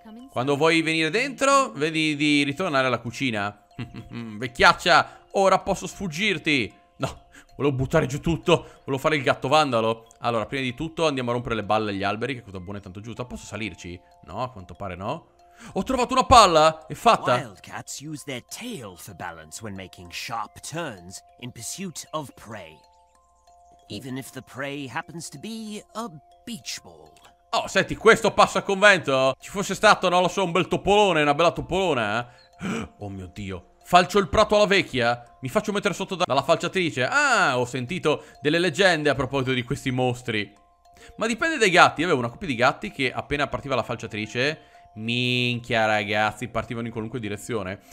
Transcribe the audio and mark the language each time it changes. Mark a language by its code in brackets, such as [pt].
[it] Quando vuoi venire dentro, vedi di ritornare alla cucina. Vecchiaccia, ora posso sfuggirti. No, volevo buttare giù tutto. Volevo fare il gatto vandalo. Allora, prima di tutto andiamo a rompere le balle agli alberi. Che cosa buona è tanto giusta. Posso salirci? No, a quanto pare no. Ho trovato una palla, è fatta. [en] Wildcats use their tail for balance when making sharp turns in pursuit of prey. Even if the prey happens to be a beach ball. [it] Oh, senti, questo passa a convento? Ci fosse stato, non lo so, un bel topolone, una bella topolona. Oh mio Dio. Falcio il prato alla vecchia? Mi faccio mettere sotto dalla falciatrice? Ah, ho sentito delle leggende a proposito di questi mostri. Ma dipende dai gatti. Avevo una coppia di gatti che appena partiva la falciatrice... Minchia ragazzi, partivano in qualunque direzione.